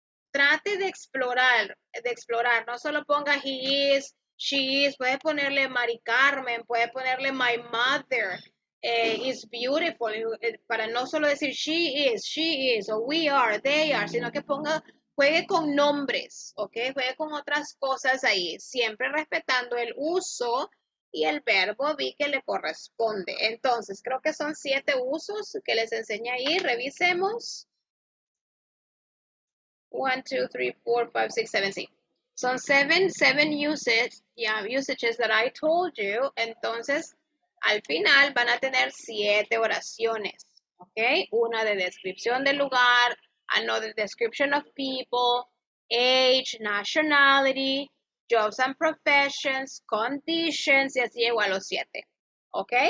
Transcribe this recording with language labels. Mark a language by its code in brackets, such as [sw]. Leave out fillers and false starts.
[es] Trate de explorar, no solo ponga he is, she is, puede ponerle Mari Carmen, puede ponerle [en] my mother is beautiful, [es] para no solo decir she is, o we are, they are, sino que ponga, juegue con nombres, ¿ok? Juegue con otras cosas ahí, siempre respetando el uso y el verbo be que le corresponde. Entonces, creo que son 7 usos que les enseñé ahí, revisemos. 1, 2, 3, 4, 5, 6, 7, sí. Son 7 [en] uses, yeah, usages that I told you. [es] Entonces, al final van a tener 7 oraciones, ¿ok? Una de descripción del lugar, [en] another description of people, age, nationality, jobs and professions, [es] conditions, y así llego a los 7. ¿Ok?